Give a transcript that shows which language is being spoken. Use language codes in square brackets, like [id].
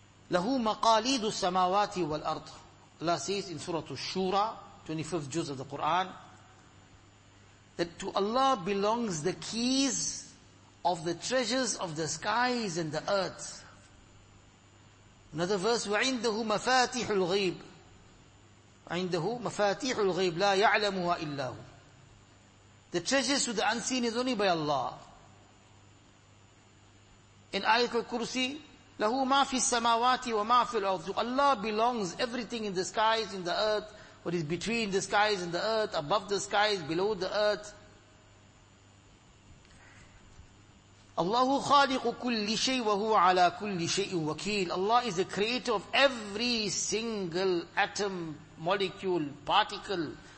[ar] لَهُ مَقَالِيدُ السَّمَاوَاتِ وَالْأَرْضِ. [en] Allah says in Surah Ash-Shura, 25th juz of the Quran, that to Allah belongs the keys of the treasures of the skies and the earth. Another verse, [ar] وَعِنْدَهُ مَفَاتِحُ الْغَيْبِ. عِنْدَهُ مَفَاتِحُ الْغَيْبِ لَا يَعْلَمُهَا إِلَّهُ. [en] The treasures to the unseen is only by Allah. In Ayat al-Kursi, [ar] لَهُ مَا فِي السَّمَاوَاتِ وَمَا فِي الْأَرْضِ. [en] To Allah belongs everything in the skies, in the earth, what is between the skies and the earth, above the skies, below the earth. [ar] Allahu khaliqu kulli shay wa huwa ala kulli shay'in wakeel. [en] Allah is the creator of every single atom, molecule, particle.